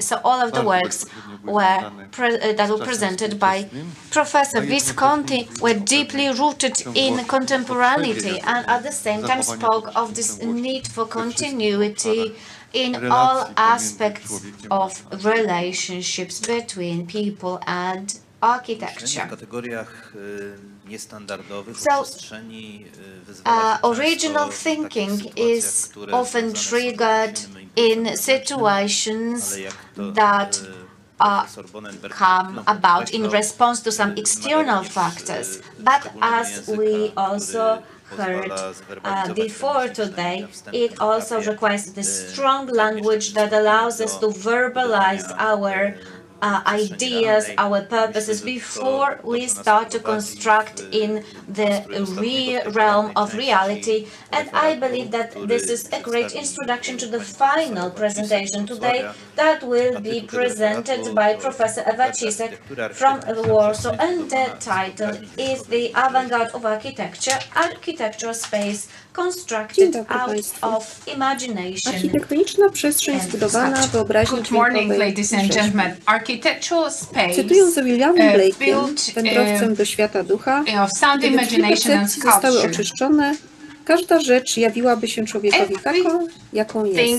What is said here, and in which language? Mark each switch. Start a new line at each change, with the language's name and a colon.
English: So all of the works were that were presented by Professor Visconti were deeply rooted in contemporaneity and at the same time spoke of this need for continuity in all aspects of relationships between people and architecture.
Polish: W kategoriach niestandardowych przestrzeni
English: original thinking is often triggered in situations that come about in response to some external factors. But as we also heard before today, it also requires the strong language that allows us to verbalize our ideas, our purposes, before we start to construct in the realm of reality. And I believe that this is a great introduction to the final presentation today that will be presented by Professor Ewa Cisek from Warsaw, and the title is The Avant-Garde of Architecture, Architectural Space Constructed Out of Imagination.
Polish: Architektoniczna przestrzeń zbudowana wyobraźnią
English: dźwiękowej. Good morning, ladies and gentlemen. Architectural space. Cytuję
Polish: z Williamem Blake'em, wędrowcem do świata ducha.
English: Of sound imagination and sculpture.
Polish: Zostały oczyszczone. Każda rzecz jawiłaby się człowiekowi taką, jaką jest.